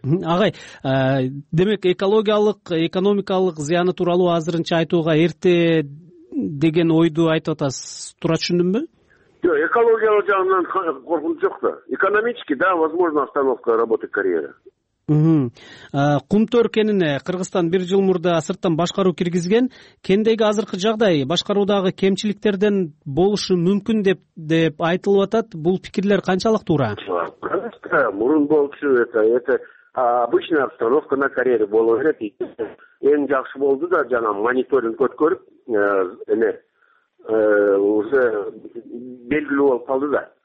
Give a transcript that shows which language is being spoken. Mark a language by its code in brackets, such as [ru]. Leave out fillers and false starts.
[ky] Агай, демек экологиялык, экономикалык зыяны тууралуу азырынча айтууга эрте деген ойду айтып атасыз. Туура түшүндүмбү? Жок, экологиялык жагынан коркунуч жок да. [ru] Экономический, да, возможно, остановка работы карьеры. [ky] Кумтөр кенине Кыргызстан бир жыл мурда сырттан башкаруу киргизген. Кендеги азыркы жагдай башкаруудагы кемчиликтерден болушу мүмкүн деп айтылып атат. Бул пикирлер канчалык туура? Мурун болчу, [ru] это обычная обстановка на карьере [ky] боло берет. Эң жакшы болду да жана мониторинг өткөрүп эме уже белгилүү болуп калды да.